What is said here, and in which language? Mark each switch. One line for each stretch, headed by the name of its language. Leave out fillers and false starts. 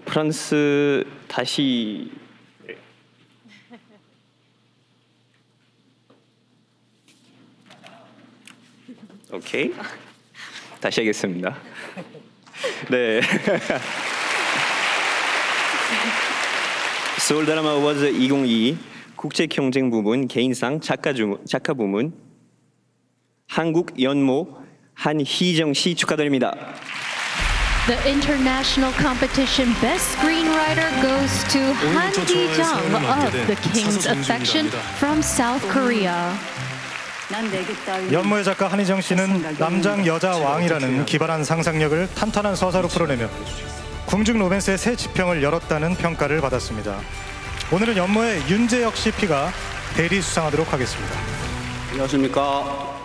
Korean: 프랑스 다시 오케이 다시 하겠습니다. 네. 서울 드라마 어워즈 2022 국제 경쟁 부문 개인상 작가 부문 한국 연모 한희정 씨 축하드립니다.
English: The International Competition Best Screenwriter goes to Han Ji-jung of The King's Affection from South Korea.
Korean: 연모의 작가 한희정 씨는 남장 여자 왕이라는 기발한 상상력을 탄탄한 서사로 풀어내며 궁중 로맨스의 새 지평을 열었다는 평가를 받았습니다. 오늘은 연모의 윤재혁 CP가 대리 수상하도록 하겠습니다. 안녕하십니까.